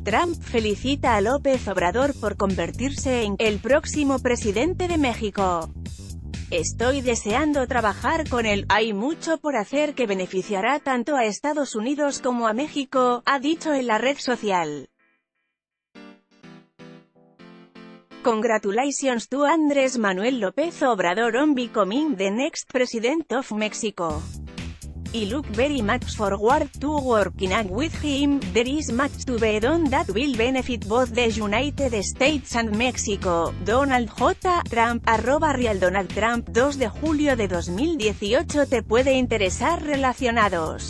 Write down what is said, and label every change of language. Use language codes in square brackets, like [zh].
[es] Trump felicita a López Obrador por convertirse en el próximo presidente de México. Estoy deseando trabajar con él, hay mucho por hacer que beneficiará tanto a Estados Unidos como a México, ha dicho en la red social. [en] Congratulations to Andrés Manuel López Obrador on becoming the next president of Mexico. I look very much forward to working with him. There is much to be done that will benefit both the United States and Mexico. Donald J. [es] Trump, @RealDonaldTrump, 2 de julio de 2018. ¿Te puede interesar relacionados?